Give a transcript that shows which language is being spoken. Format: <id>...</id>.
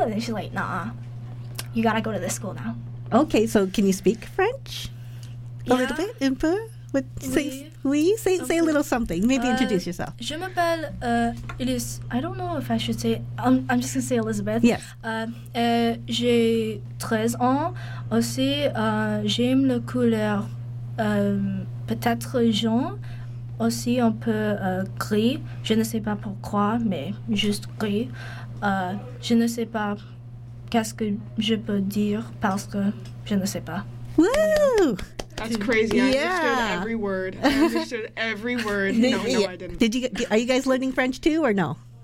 <en>And then she's like, nah, you gotta go to this school now. Okay, so can you speak French? Yeah. A little bit?</en> <fr>Un peu?</fr> <en>Say a little something. Maybe introduce yourself.</en> <fr>Je m'appelle Elise.</fr> <en>I don't know if I should say. I'm just gonna say Elizabeth. Yes.</en> <fr>J'ai 13 ans. Aussi, j'aime la couleur peut-être jaune. Aussi, un peu gris. Je ne sais pas pourquoi, mais juste gris. Je ne sais pas qu'est-ce que je peux dire parce que je ne sais pas. Woo!</fr> <en>That's crazy. Yeah. I understood every word. I understood every word. No, I didn't. Are you guys learning French too or no?</en>